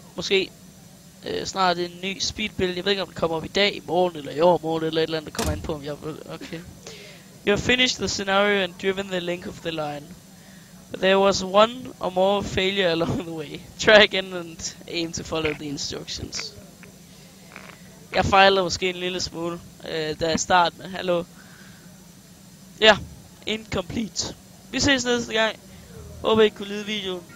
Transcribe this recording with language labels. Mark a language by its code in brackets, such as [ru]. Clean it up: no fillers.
[da] Jeg laver måske snart en ny speedbuild. Jeg ved ikke, om den kommer op i dag, i morgen eller i overmorgen eller et eller andet, der kommer an på, om jeg vil. Okay. [en] You have finished the scenario and driven the length of the line. But there was one or more failure along the way. Try again and aim to follow the instructions. [da] Jeg fejlede måske en lille smule, da jeg startede med. Hallo. Ja. Incomplete. Vi ses næste gang. Håber, I kunne lide videoen.